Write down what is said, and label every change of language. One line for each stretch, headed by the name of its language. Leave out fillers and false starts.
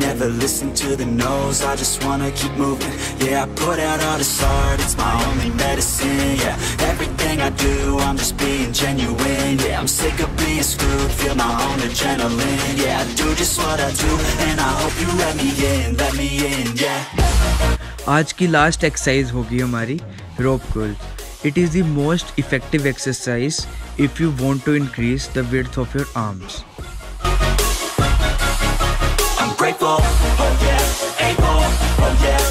English: Never listen to the no's, I just wanna keep moving. Yeah, I put out all this art, it's my only medicine, yeah. Everything I do, I'm just being genuine, yeah. I'm sick of being screwed, feel my own adrenaline, yeah. I do just what I do, and I hope you let me in, yeah.
Hindi: आज की last exercise होगी हमारी रोप curl.
English: It is the most effective exercise if you want to increase the width of your arms. I'm grateful, oh yeah, able, oh yeah.